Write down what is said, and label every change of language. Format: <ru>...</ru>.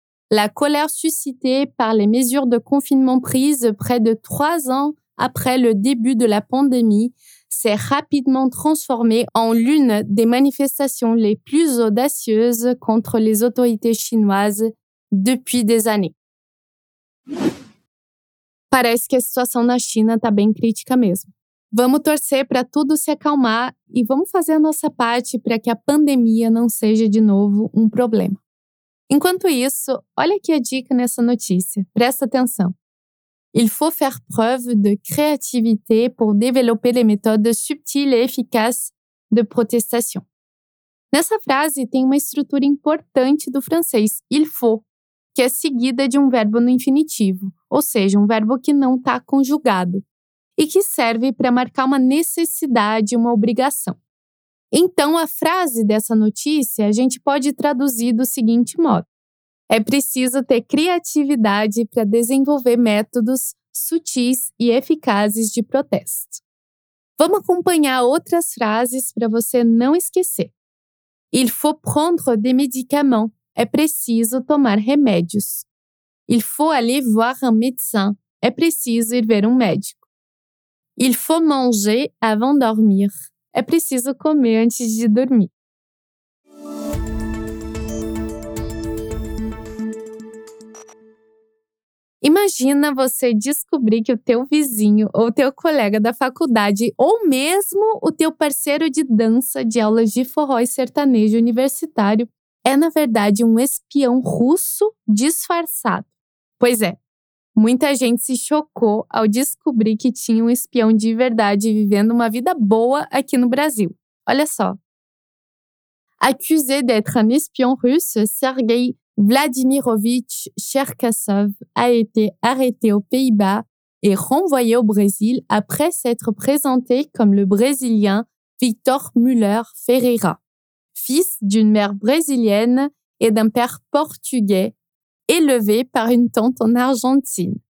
<fr>La colère suscitée par les mesures de confinement prises près de 3 ans après le début de la pandémie s'est rapidement transformée en l'une des manifestations les plus audacieuses contre les autorités chinoises depuis des années.</fr> <pt>Parece que a situação na China está bem crítica mesmo. Vamos torcer para tudo se acalmar e vamos fazer a nossa parte para que a pandemia não seja de novo problema. Enquanto isso, olha aqui a dica nessa notícia. Presta atenção.</pt> <fr>Il faut faire preuve de créativité pour développer les méthodes subtiles et efficaces de protestation.</fr> <pt>Nessa frase tem uma estrutura importante do francês,</pt> <fr>il faut,</fr> <pt>que é seguida de verbo no infinitivo, ou seja, verbo que não está conjugado, e que serve para marcar uma necessidade, uma obrigação. Então, a frase dessa notícia a gente pode traduzir do seguinte modo. É preciso ter criatividade para desenvolver métodos sutis e eficazes de protesto. Vamos acompanhar outras frases para você não esquecer.</pt> <fr>Il faut prendre des médicaments.</fr> <pt>É preciso tomar remédios.</pt> <fr>Il faut aller voir un médecin.</fr> <pt>É preciso ir ver médico.</pt> <fr>Il faut manger avant dormir.</fr> <pt>É preciso comer antes de dormir. Imagina você descobrir que o teu vizinho ou teu colega da faculdade ou mesmo o teu parceiro de dança de aulas de forró e sertanejo universitário é, na verdade, espião russo disfarçado. Pois é, muita gente se chocou ao descobrir que tinha espião de verdade vivendo uma vida boa aqui no Brasil. Olha só.</pt> <fr>Accusé d'être</fr> <pt>espião russo,</pt> <fr>Sergei Vladimirovich Cherkassov a été arrêté aux Pays-Bas et renvoyé au Brésil après s'être présenté comme le Brésilien Victor Müller Ferreira, fils d'une mère brésilienne et d'un père portugais, élevé par une tante en Argentine.</fr>